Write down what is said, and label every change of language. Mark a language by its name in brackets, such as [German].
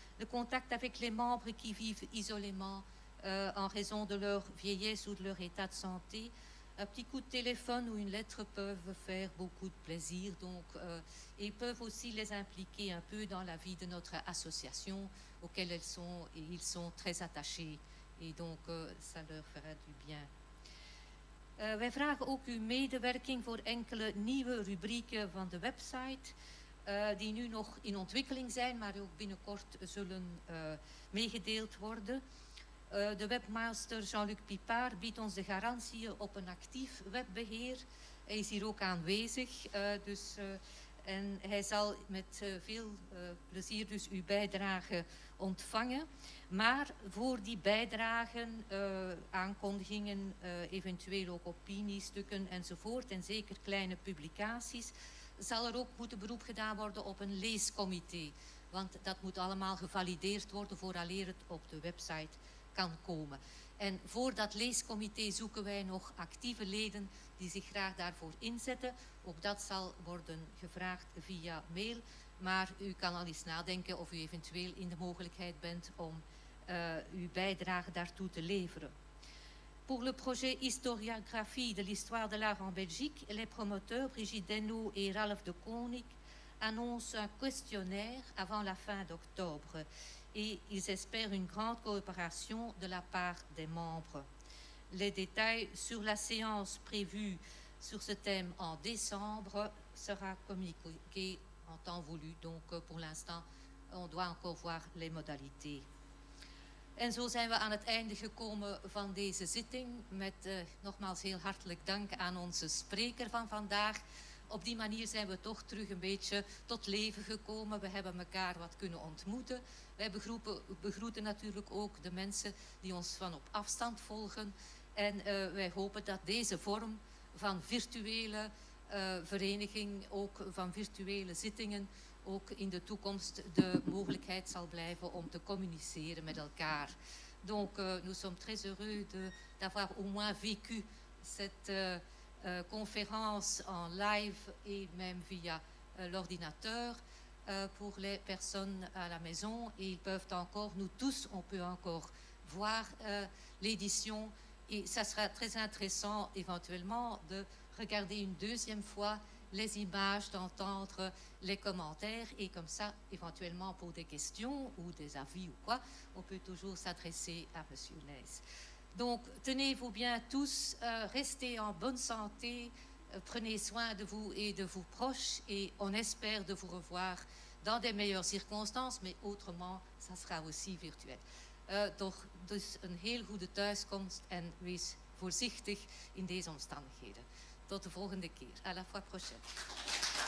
[French] Le contact avec les membres qui vivent isolément en raison de leur vieillesse ou de leur état de santé. Un petit coup de téléphone ou une lettre peuvent faire beaucoup de plaisir donc, et peuvent aussi les impliquer un peu dans la vie de notre association auquel elles sont et ils sont très attachés et donc ça leur fera du bien. [Dutch] Wij vragen ook uw medewerking voor enkele nieuwe rubrieken van de website die nu nog in ontwikkeling zijn maar ook binnenkort zullen meegedeeld worden. De webmaster Jean-Luc Pipard biedt ons de garantie op een actief webbeheer. Hij is hier ook aanwezig en hij zal met veel plezier dus uw bijdrage ontvangen. Maar voor die bijdragen, aankondigingen, eventueel ook opiniestukken enzovoort en zeker kleine publicaties, zal er ook moeten beroep gedaan worden op een leescomité. Want dat moet allemaal gevalideerd worden vooraleer het op de website kan komen. En voor dat leescomité zoeken wij nog actieve leden die zich graag daarvoor inzetten. Ook dat zal worden gevraagd via mail. Maar u kan al eens nadenken of u eventueel in de mogelijkheid bent om uw bijdrage daartoe te leveren. [French] Pour le projet historiographie de l'histoire de l'art en Belgique, les promoteurs Brigitte Denou et Ralph de Koonik annoncent un questionnaire avant la fin d'octobre. Et ils espèrent une grande coopération de la part des membres. Les détails sur la séance prévue sur ce thème en décembre sera communiqué en temps voulu. Donc pour l'instant, on doit encore voir les modalités. [Dutch] En zo zijn we aan het einde gekomen van deze zitting. Met nogmaals heel hartelijk dank aan onze spreker van vandaag. Op die manier zijn we toch terug een beetje tot leven gekomen. We hebben elkaar wat kunnen ontmoeten. Wij begroeten natuurlijk ook de mensen die ons van op afstand volgen. En wij hopen dat deze vorm van virtuele vereniging, ook van virtuele zittingen, ook in de toekomst de mogelijkheid zal blijven om te communiceren met elkaar. [French] Donc, nous sommes très heureux d'avoir au moins vécu cette conférence en live et même via l'ordinateur pour les personnes à la maison. Et ils peuvent encore, nous tous, on peut encore voir l'édition. Et ça sera très intéressant éventuellement de regarder une deuxième fois les images, d'entendre les commentaires et comme ça, éventuellement pour des questions ou des avis ou quoi, on peut toujours s'adresser à M. Nijs. Donc, tenez-vous bien tous, restez en bonne santé, Prenez soin de vous et de vos proches et on espère de vous revoir dans des meilleures circonstances, mais autrement, ça sera aussi virtuel. [Dutch] Dus een heel goede thuiskomst en wees voorzichtig in deze omstandigheden. Tot de volgende keer. [French] À la fois prochaine.